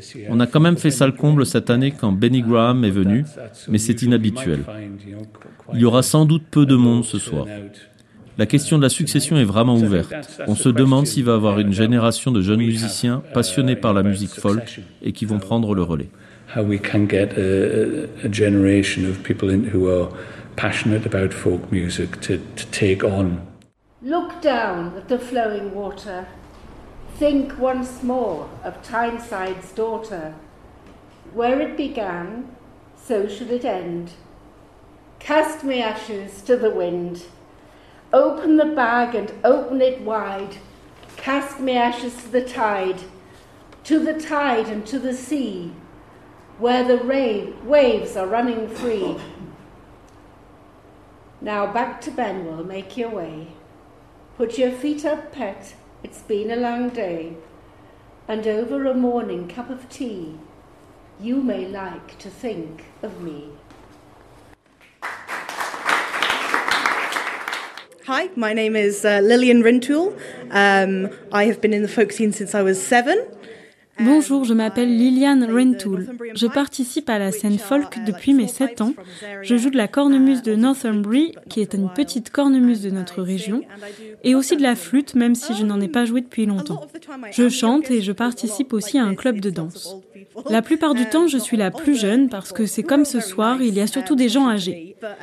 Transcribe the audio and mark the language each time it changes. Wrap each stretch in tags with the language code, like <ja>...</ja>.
<fr>On a quand même fait salle comble cette année quand Benny Graham est venu, mais c'est inhabituel. Il y aura sans doute peu de monde ce soir. La question de la succession est vraiment ouverte. On se demande s'il va y avoir une génération de jeunes musiciens passionnés par la musique folk et qui vont prendre le relais.</fr> <en>How we can get a generation of people who are passionate about folk music to take on. Look down at the flowing water. Think once more of Tyneside's daughter. Where it began, so should it end. Cast me ashes to the wind. Open the bag and open it wide. Cast me ashes to the tide and to the sea, where the waves are running free. Now back to Benwell, make your way. Put your feet up, pet, it's been a long day. And over a morning cup of tea, you may like to think of me. Hi, my name is Lillian Rintoul. I have been in the folk scene since I was 7.</en> <fr>Bonjour, je m'appelle Lillian Rintoul. Je participe à la scène folk depuis mes 7 ans. Je joue de la cornemuse de Northumbrie, qui est une petite cornemuse de notre région, et aussi de la flûte, même si je n'en ai pas joué depuis longtemps. Je chante et je participe aussi à un club de danse. La plupart du temps, je suis la plus jeune, parce que c'est comme ce soir, il y a surtout des gens âgés.</fr>